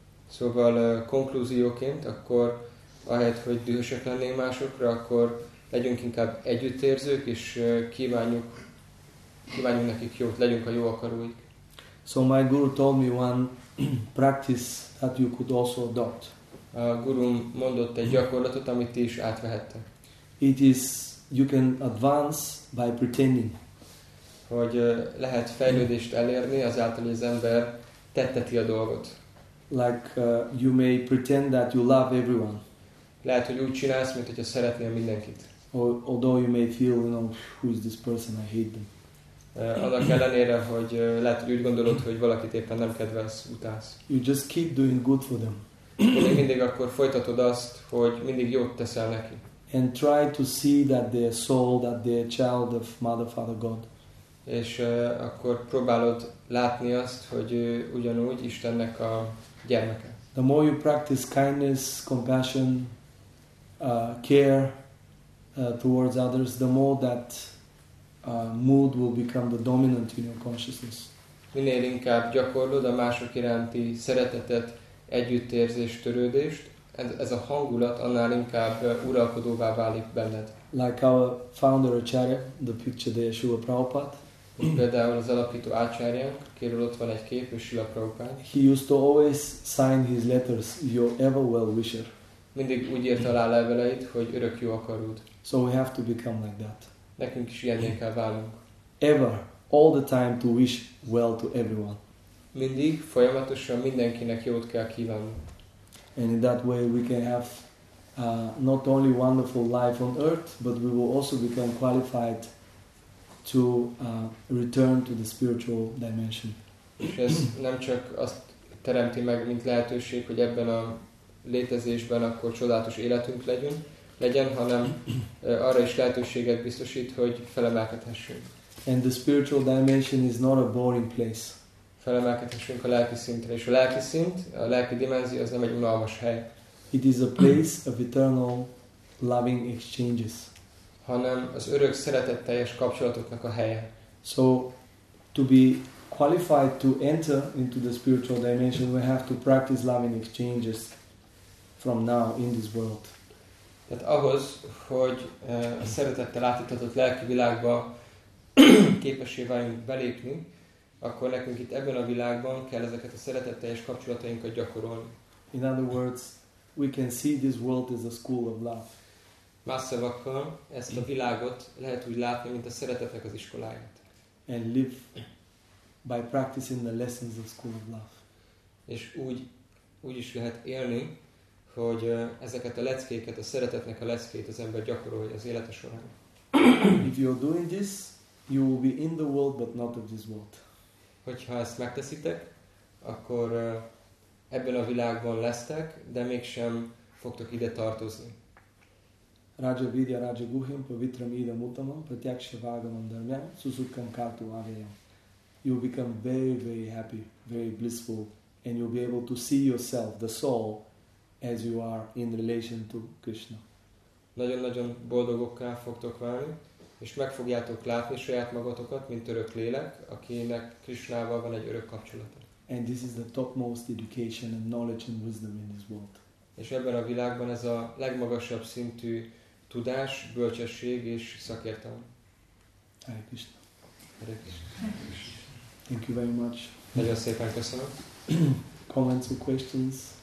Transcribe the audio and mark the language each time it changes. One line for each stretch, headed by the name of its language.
Hungarian: Szóval konklúzióként, akkor ahelyett, hogy dühösek lennénk másokra, akkor legyünk inkább együttérzők, és kívánjuk nekik jót, legyünk a jó akaróik.
English: So my guru told me one practice that you could also adopt.
Hungarian: A gurum mondott egy gyakorlatot, amit ti is átvehettek.
English: It is, you can advance by pretending.
Hungarian: Hogy lehet fejlődést elérni azáltal, hogy az ember tetteti a dolgot.
English: Like you may pretend that you love everyone.
Hungarian: Lehet, hogy úgy csinálsz, mint hogyha szeretnél mindenkit.
English: Although you may feel, you know, who is this person, I hate them.
Hungarian: Annak ellenére, hogy lehet, hogy úgy gondolod, hogy valakit éppen nem kedvelsz, utálsz.
English: You just keep doing good for them.
Hungarian: Még mindig akkor folytatod azt, hogy mindig jót teszel neki.
English: And try to see that their soul, that their child of Mother, Father, God.
Hungarian: És akkor próbálod látni azt, hogy ugyanúgy Istennek a gyermeke.
English: The more you practice kindness, compassion, care towards others, the more that mood will become the dominant in your consciousness.
Hungarian: Minél inkább gyakorlod a mások iránti szeretetet, együttérzést, törődést, ez a hangulat annál inkább uralkodóvá válik benned.
English: Like our founder Acharya, the picture there, Srila Prabhupada.
Hungarian: Például az alapító Acharya, kérül ott van egy kép, és Srila Prabhupada.
English: He used to always sign his letters, your ever well-wisher.
Hungarian: Mindig úgy írta alá leveleit, hogy örök jó akarod.
English: So we have to become like that.
Hungarian: Nekünk is ilyenné kell válnunk.
English: Ever, all the time to wish well to everyone.
Hungarian: Mindig, folyamatosan mindenkinek jót kell kívánni.
English: And in that way we can have not only wonderful life on earth, but we will also become qualified to return to the spiritual dimension.
Hungarian: És ez nem csak azt teremti meg, mint lehetőség, hogy ebben a létezésben akkor csodálatos életünk legyen, hanem arra is lehetőséget biztosít, hogy felemelkedhessünk.
English: And the spiritual dimension is not a boring place.
Hungarian: Felemelkedhessünk a lelki szintre, és a lelki szint, a lelki dimenzió az nem egy unalmas hely.
English: It is a place of eternal loving exchanges.
Hungarian: hanem az örök szeretetteljes kapcsolatoknak a helye.
English: So to be qualified to enter into the spiritual dimension, we have to practice loving exchanges from now in this world.
Hungarian: Tehát ahhoz, hogy a szeretettel átítatott lelki világba képessé váljunk belépni, akkor nekünk itt ebben a világban kell ezeket a szeretetteljes kapcsolatainkat gyakorolni.
English: In other words, we can see this world as a school of love.
Hungarian: Más szavakkal, ezt a világot lehet úgy látni, mint a szeretetnek az iskoláját.
English: And live by practicing the lessons of school of love.
Hungarian: És úgy is lehet élni, hogy ezeket a leckéket, a szeretetnek a leckét az ember gyakorolja az élete során.
English: If you are doing this, you will be in the world, but not of this world.
Hungarian: Hogyha ezt megteszitek, akkor ebben a világban lesztek, de mégsem fogtok ide tartozni.
Sanskrit: Raja vidya raja guhyam pavitram idam utamam pratyaksha vagamam dharmyam susukkam kartu avayam.
English: You will become very, very happy, very blissful, and you will be able to see yourself, the soul, as you are in relation to Krishna.
Hungarian: Nagyon-nagyon boldogokká fogtok válni, és meg fogjátok látni saját magatokat, mint örök lélek, akinek Krishnával van egy örök kapcsolata.
English: And this is the topmost education and knowledge and wisdom in this world.
Hungarian: És ebben a világban ez a legmagasabb szintű tudás, bölcsesség és szakértelem.
Sanskrit: Hare Krishna. Hare Krishna.
English: Thank you very much.
Hungarian: Nagyon szépen köszönöm.
English: Comments or questions?